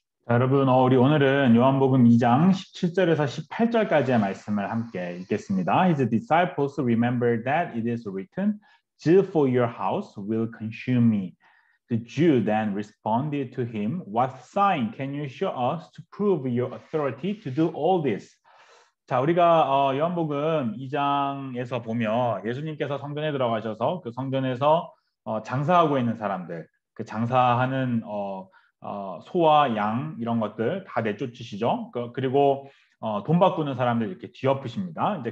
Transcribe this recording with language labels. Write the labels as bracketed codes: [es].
[ko] 여러분, 우리 오늘은 요한복음 2장 17절에서 18절까지의 말씀을 함께 읽겠습니다. [en] His disciples remember that it is written, "Zeal for your house will consume me." The Jew then responded to him, "What sign can you show us to prove your authority to do all this?" [ko] 자, 우리가 요한복음 2장에서 보며 예수님께서 성전에 들어가셔서 그 성전에서 장사하고 있는 사람들, 그 장사하는 소와 양 이런 것들 다 내쫓으시죠. 그리고 돈 바꾸는 사람들 이렇게 뒤엎으십니다.